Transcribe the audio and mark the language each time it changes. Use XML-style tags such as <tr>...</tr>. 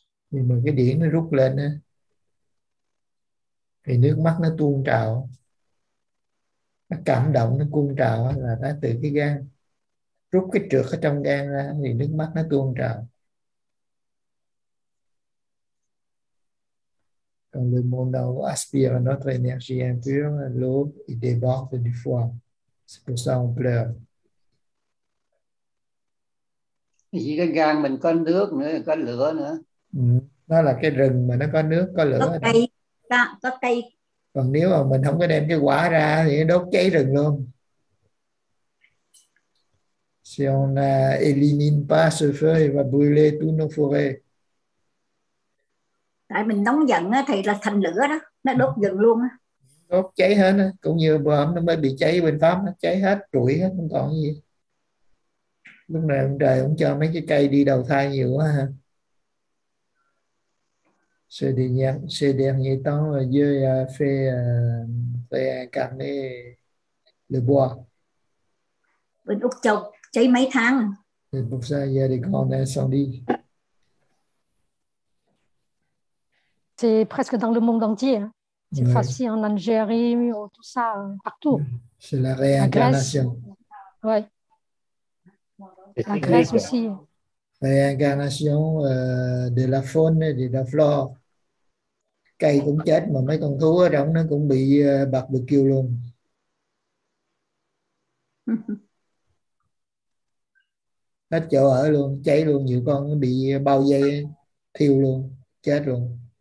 <vi>Nhưng mà cái điển nó rút lên á, thì nước mắt nó tuôn trào. Nó cảm động, nó tuôn trào là nó từ cái gan. Rút cái trược ở trong gan ra thì nước mắt nó tuôn trào.</vi> <fr>Quand le monde en haut aspire notre énergie impure, l'eau y déborde du foie. C'est pour ça qu'on pleure.</fr> <vi>Chỉ cái gan mình có nước nữa, có lửa nữa. Nó là cái rừng mà nó có nước, có lửa. Có cây. Đó, có cây. Còn nếu mà mình không có đem cái quả ra thì nó đốt cháy rừng luôn.</vi> <fr>Si on n'élimine pas ce feu, il va brûler toutes nos forêts.</fr> <vi>Tại mình nóng giận thì là thành lửa đó, nó đốt rừng luôn á. Đốt cháy hết á, cũng như bờ nó mới bị cháy bên Pháp, nó cháy hết, trụi hết, không còn gì. Lúc này ông trời cũng cho mấy cái cây đi đầu thai nhiều quá ha.</vi> <fr>Ces derniers temps, Dieu a fait incarner le bois.</fr> <vi>Bên Úc Châu cháy mấy tháng.</vi> <fr>C'est pour ça qu'il y a des grands incendies. C'est presque dans le monde entier. Hein. C'est facile en Algérie, tout ça, partout. C'est la réincarnation. Oui. La Grèce bien. Aussi. Réincarnation de la faune et de la flore.</fr> <vi>Cây cũng chết, mà mấy con thú ở trong nó cũng bị bạc được kêu luôn. Hết chỗ ở luôn, cháy luôn, nhiều con bị bao dây thiêu luôn, chết luôn.</vi>